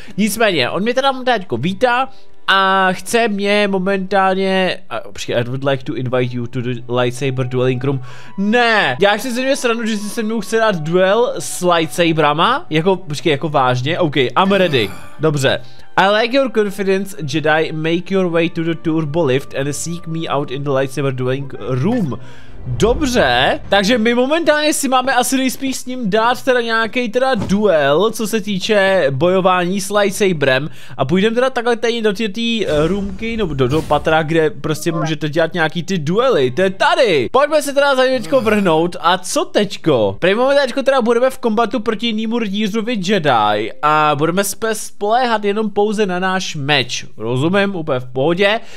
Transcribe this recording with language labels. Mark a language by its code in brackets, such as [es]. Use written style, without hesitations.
[cs] Nicméně, on mě teda teďko vítá a chce mě momentálně, [en] I would like to invite you to the lightsaber dueling room. [cs] Ne, já chci se mě sranu, že si se mnou chce dát duel s lightsabrama, jako, počkej, jako vážně, ok, [en] I'm ready, [cs] dobře. [en] I like your confidence, Jedi, make your way to the turbo lift and seek me out in the lightsaber dueling room. [cs] Dobře, takže my momentálně si máme asi nejspíš s ním dát teda nějaký teda duel, co se týče bojování s lightsaberem a půjdeme teda takhle tady do té roomky, nebo do patra, kde prostě můžete dělat nějaký ty duely, to je tady. Pojďme se teda za něčko vrhnout a co teďko? Prvý moment teďko teda budeme v kombatu proti jinému rytířovi Jedi a budeme spoléhat jenom pouze na náš meč, rozumím, úplně v pohodě.